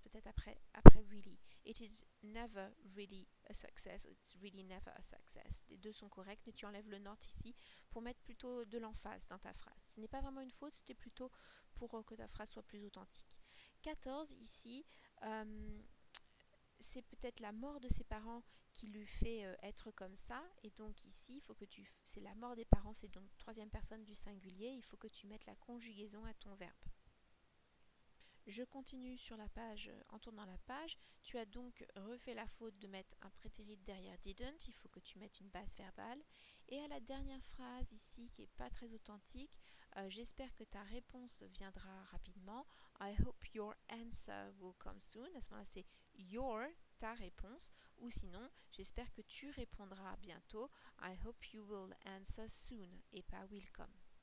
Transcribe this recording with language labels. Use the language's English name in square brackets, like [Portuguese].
[French] Peut-être après [English] really. It is never really a success. It's really never a success. [French] Les deux sont corrects, mais tu enlèves le not ici pour mettre plutôt de l'emphase dans ta phrase. Ce n'est pas vraiment une faute, c'était plutôt pour que ta phrase soit plus authentique. 14 ici, c'est peut-être la mort de ses parents qui lui fait être comme ça. Et donc ici, il faut que tu. C'est la mort des parents, c'est donc troisième personne du singulier. Il faut que tu mettes la conjugaison à ton verbe. Je continue sur la page en tournant la page. Tu as donc refait la faute de mettre un prétérit derrière didn't. Il faut que tu mettes une base verbale. Et à la dernière phrase ici, qui n'est pas très authentique, j'espère que ta réponse viendra rapidement. [English] I hope your answer will come soon. [French] À ce moment-là, c'est your, ta réponse. Ou sinon, j'espère que tu répondras bientôt. [English] I hope you will answer soon [French] et pas will come.